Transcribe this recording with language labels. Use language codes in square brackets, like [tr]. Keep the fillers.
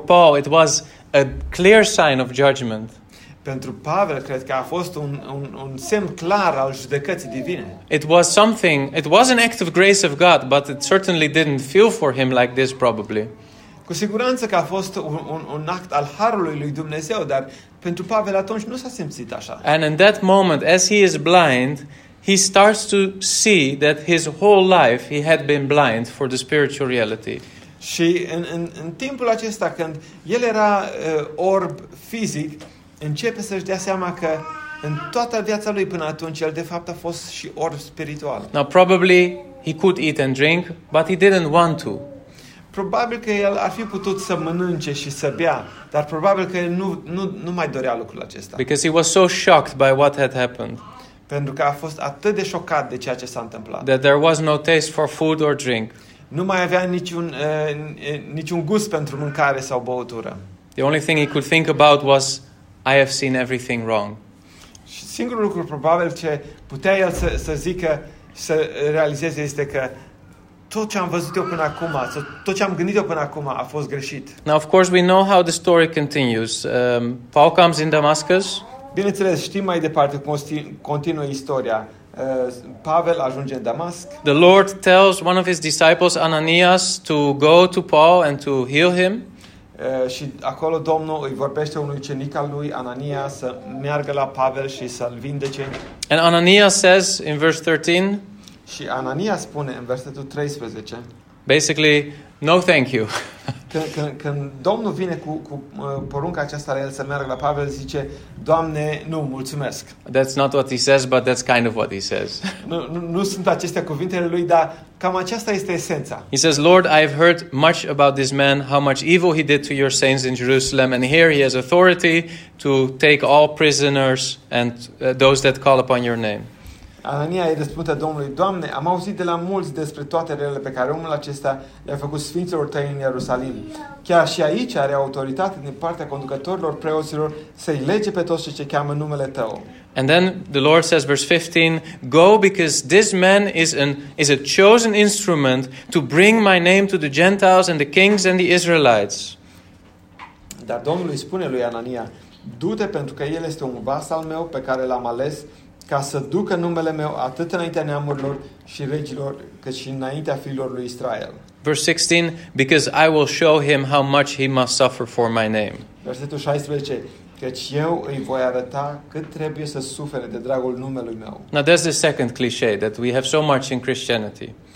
[en] Paul, it was a clear sign of judgment. [ro] Pentru Pavel, cred că a fost un, un, un semn clar [en] It was something, it was an act of grace of God, but it certainly didn't feel for him like this, probably. [ro] Cu siguranță că a fost un, un, un act al Harului lui Dumnezeu, dar pentru Pavel atunci nu s-a [en] And in that moment, as he is blind, he starts to see that his whole life he had been blind for the spiritual reality. [ro] Și în, în, timpul acesta, când el era orb fizic, începe să-și dea că în toată viața lui până atunci, el de fapt a fost și orb spiritual. [en] Now, probably he could eat and drink, but he didn't want to. [ro] Probabil că el ar fi putut să mănânce și să bea, dar probabil că nu, nu, nu mai dorea lucrul acesta. [en] Because he was so shocked by what had happened. [ro] pentru că a fost atât de șocat de ceea ce s-a întâmplat. [en] That there was no taste for food or drink. [ro] Nu mai avea niciun uh, niciun gust pentru mâncare sau băutură. [en] The only thing he could think about was I have seen everything wrong. [ro] Și singurul lucru probabil ce putea el să să zică să realizeze este că tot ce am văzut eu până acum, tot ce am gândit eu până acum a fost greșit. [en] Now of course we know how the story continues. Um, Paul comes in Damascus. [ro] Bineînțeles, știm mai departe cum continuă istoria. Pavel ajunge în Damasc. [en] The Lord tells one of his disciples Ananias to go to Paul and to heal him. [ro] Uh, și acolo Domnul îi vorbește unui ucenic al lui Anania să meargă la Pavel și să-l vindece. [en] And Ananias says in verse 13 [ro] și Anania spune în versetul 13 [en] Basically, no thank you. [ro] când, când, când Domnul vine cu, cu porunca aceasta la el să meargă la Pavel, zice, Doamne, nu, That's [en] not what he says, but that's kind of what he says. [ro] nu, nu, nu sunt acestea cuvintele lui, dar cam aceasta este esența. [en] He says, Lord, I have heard much about this man, how much evil he did to your saints in Jerusalem, and here he has authority to take all prisoners and uh, those that call upon your name. [ro] Anania îi răspunde Domnului, Doamne, am auzit de la mulți despre toate relele pe care omul acesta le-a făcut sfinților tăi în Ierusalim. Chiar și aici are autoritate din partea conducătorilor preoților să-i lege pe toți ce, ce cheamă numele tău. [en] And then the Lord says, verse 15, Go because this man is, an, is a chosen instrument to bring my name to the Gentiles and the kings and the Israelites. [ro] Dar Domnul îi spune lui Anania, Du-te pentru că el este un vas al meu pe care l-am ales ca să ducă numele meu atât înaintea neamurilor și regilor, cât și înaintea fiilor lui Israel. [en] Verse 16, because I will show him how much he must suffer for my name. [ro] Versetul 16, căci eu îi voi arăta cât trebuie să sufere de dragul numelui meu. [en] Now that's the second cliché that we have so much in Christianity.